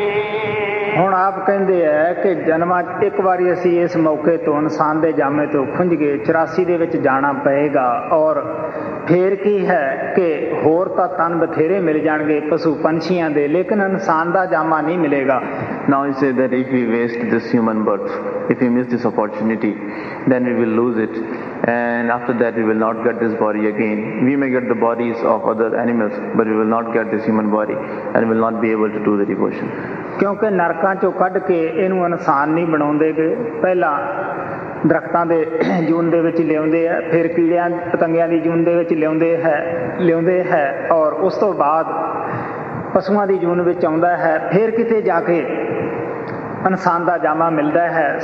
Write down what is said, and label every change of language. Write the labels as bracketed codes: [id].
[pa] ਹੁਣ ਆਪ ਕਹਿੰਦੇ ਆ ਕਿ ਜਨਮਾਂ 'ਚ ਇੱਕ ਵਾਰੀ ਅਸੀਂ ਇਸ ਮੌਕੇ ਤੋਂ ਇਨਸਾਨ ਦੇ ਜਾਮੇ ਤੋਂ ਖੁੰਝ ਗਏ, 84 ਦੇ ਵਿੱਚ ਜਾਣਾ ਪਏਗਾ ਔਰ ਫਿਰ ਕੀ ਹੈ ਕਿ ਹੋਰ ਤਾਂ ਤਨ ਬਥੇਰੇ ਮਿਲ ਜਾਣਗੇ ਪਸ਼ੂ ਪੰਛੀਆਂ ਦੇ, ਲੇਕਿਨ ਇਨਸਾਨ ਦਾ ਜਾਮਾ ਨਹੀਂ ਮਿਲੇਗਾ। [en] Now he said that if we waste this human birth, if we miss this opportunity, then we will lose it. And after that, we will not get this body again. We may get the bodies of other animals, but we will not get this human body and will not be able to do the devotion. [pa] ਕਿਉਂਕਿ ਨਰਕਾਂ 'ਚੋਂ ਕੱਢ ਕੇ ਇਹਨੂੰ ਇਨਸਾਨ ਨਹੀਂ ਬਣਾਉਂਦੇ ਗਏ। ਪਹਿਲਾਂ ਦਰਖਤਾਂ ਦੇ ਜੂਨ ਦੇ ਵਿੱਚ ਲਿਆਉਂਦੇ ਆ, ਫਿਰ ਕੀੜਿਆਂ ਪਤੰਗਿਆਂ ਦੀ ਜੂਨ ਦੇ ਵਿੱਚ ਲਿਆਉਂਦੇ ਹੈ ਔਰ ਉਸ ਤੋਂ ਬਾਅਦ ਪਸ਼ੂਆਂ ਦੀ ਜੂਨ ਵਿੱਚ ਆਉਂਦਾ ਹੈ, ਫਿਰ ਕਿਤੇ ਜਾ ਕੇ ਇਨਸਾਨ ਦਾ ਜਾਮਾ ਮਿਲਦਾ ਹੈ।